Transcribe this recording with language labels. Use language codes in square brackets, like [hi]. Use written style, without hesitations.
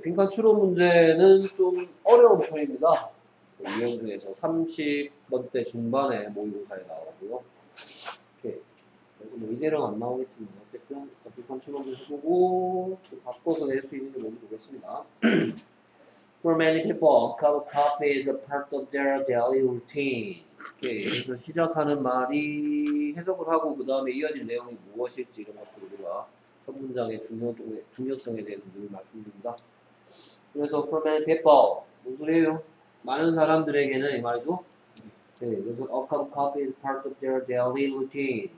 [ko] 빈칸 추론 문제는 좀 어려운 편입니다. 유형 중에서 30번대 중반에 모의고사에 나오고요. 오케이. 뭐 이대로는 안 나오겠지만, 어쨌든 빈칸 추론 문제 해보고, 바꿔서 낼 수 있는지 먼저 보겠습니다. [en] For many people, a cup of coffee is a part of their daily routine. [ko] 오케이. 그래서 시작하는 말이 해석을 하고, 그 다음에 이어질 내용이 무엇일지 이런 것들을 우리가 첫 문장의 중요성에 대해서 늘 말씀드립니다. 그래서 [en] for many people, [ko] 무슨 소리예요? 많은 사람들에게는 이 말이죠. 네, 그래서 [en] a cup of coffee is part of their daily routine.